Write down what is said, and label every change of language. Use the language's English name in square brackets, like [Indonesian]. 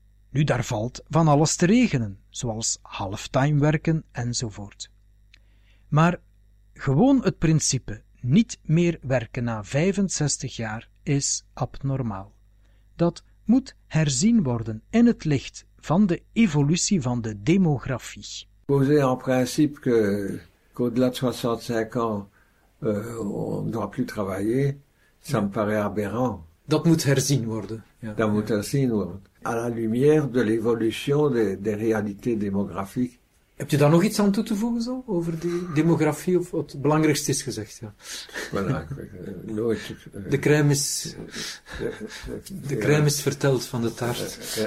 [Dutch] Nu, daar valt van alles te regelen, zoals halftime werken enzovoort. Maar gewoon het principe niet meer werken na 65 jaar is abnormaal. Dat moet herzien worden in het licht van de evolutie van de demografie. [French] poser en principe que, qu'au-delà de 65 ans, on ne doit plus travailler, ça me paraît aberrant. [Dutch] Dat moet herzien worden. Ja. Dat moet herzien worden. [French] À la lumière de l'évolution des réalités démographiques. [Dutch] Heb je daar nog iets aan toe te voegen zo, over die demografie, of wat het belangrijkste is gezegd? Ja. Voilà, nooit. De crème is verteld van de taart.